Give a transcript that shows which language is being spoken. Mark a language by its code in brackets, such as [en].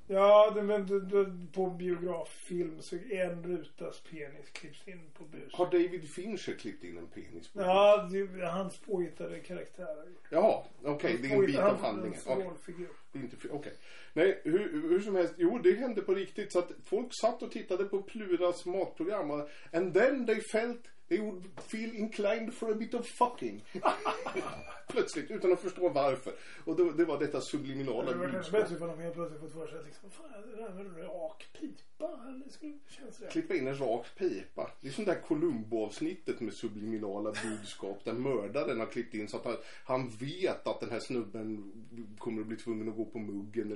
[sv] Ja, men på biograffilm så en rutas penis klipps in på bus. Har David Fincher klippt in en penis på bus? Ja, det är hans påhittade karaktär. Ja, okej, okay, det är en bit av handlingen. Han är en rollfigur. Okay. Nej, hur som helst. Jo, det hände på riktigt. Så att folk satt och tittade på Pluras matprogram. [en] And then they felt they would feel inclined for a bit of fucking. [sv] Plötsligt, utan att förstå varför. Och det var detta subliminala budskap. Det var bättre för dem, jag plötsligt fått för sig. Liksom, fan, är det en rak pipa? Klippa in en rak pipa. Det är som det där Columbo-avsnittet med subliminala budskap. Där mördaren har klippt in så att han vet att den här snubben kommer att bli tvungen att gå på muggen.